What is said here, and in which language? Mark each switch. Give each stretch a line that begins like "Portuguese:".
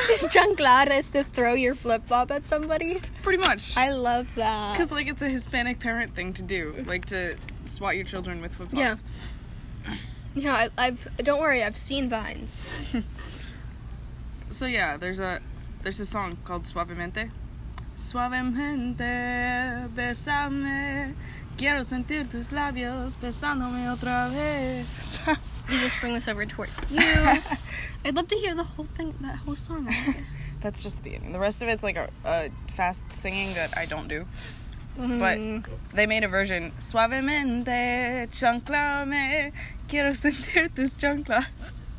English: Chanclar is to throw your flip flop at somebody. Pretty much. I love that. Cause like it's a Hispanic parent thing to do, like to swat your children with flip flops. Yeah. Yeah, don't worry, I've seen vines. So yeah, there's a song called Suavemente.
Spanish: Suavemente, besame, quiero sentir tus labios besándome otra vez.
English: You just bring this over towards you. I'd love to hear the whole thing, that whole song. That's just the beginning. The rest of it's like a fast singing that I don't do. But they made a version.
Spanish: Suavemente, chanclame, quiero sentir tus chanclas.